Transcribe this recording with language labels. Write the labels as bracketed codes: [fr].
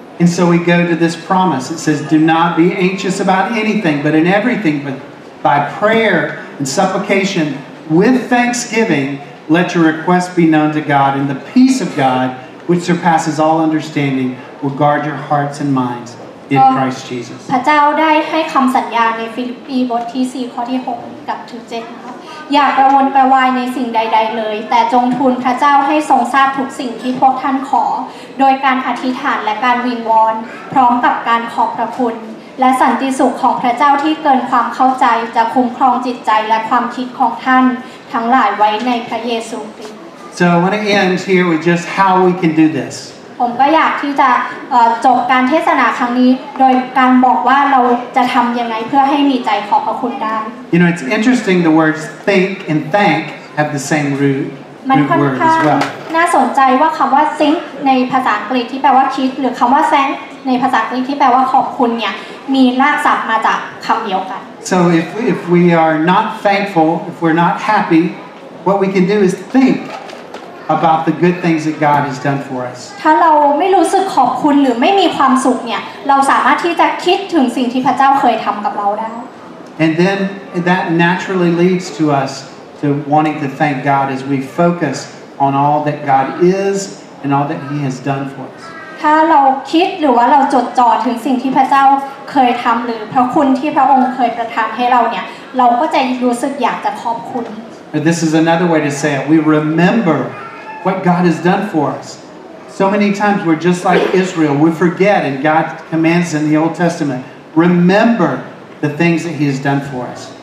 [en] And so we go to this promise. It says, "Do not be anxious about anything, but in everything, by prayer and supplication with thanksgiving, let your requests be known to God. And the peace of God, which surpasses all understanding, will guard your hearts and minds in Christ Jesus." [th] พระเจ้าได้ให้คำสัญญาในฟิลิปปีบทที่สี่ข้อที่หกกับถึงเจ็ดนะคะอย่ากระวนกระวายในสิ่งใดๆเลยแต่จงทูลพระเจ้าให้ทรงทราบทุกสิ่งที่พวกท่านขอโดยการอธิษฐานและการวิงวอนพร้อมกับการขอบพระคุณและสันติสุขของพระเจ้าที่เกินความเข้าใจจะคุ้มครองจิตใจและความคิดของท่านทั้งหลายไว้ในพระเยซูคริสต์ [en] So I want to end here with just how we can do this. [th] ผมก็อยากที่จะจบการเทศนาครั้งนี้โดยการบอกว่าเราจะทำยังไงเพื่อให้มีใจขอบพระคุณได้ [en] You know, it's interesting the words think and thank have the same root word as well. [th] น่าสนใจว่าคำว่า think ในภาษาอังกฤษที่แปลว่าคิดหรือคำว่า thank ในภาษาอังกฤษที่แปลว่าขอบคุณเนี่ยมีรากศัพท์มาจากคำเดียวกัน [en] So if we are not thankful, if we're not happy, what we can do is think. About the good things that God has done for us. [th] ถ้าเราไม่รู้สึกขอบคุณหรือไม่มีความสุขเนี่ยเราสามารถที่จะคิดถึงสิ่งที่พระเจ้าเคยทำกับเราได้ [en] And then that naturally leads to us to wanting to thank God as we focus on all that God is and all that He has done for us. [th] ถ้าเราคิดหรือว่าเราจดจ่อถึงสิ่งที่พระเจ้าเคยทำหรือพระคุณที่พระองค์เคยประทานให้เราเนี่ยเราก็จะรู้สึกอยากจะขอบคุณ [en] But this is another way to say it. We rememberWhat God has done for us. So many times we're just like Israel. We forget, and God commands in the Old Testament, remember the things that He has done for us.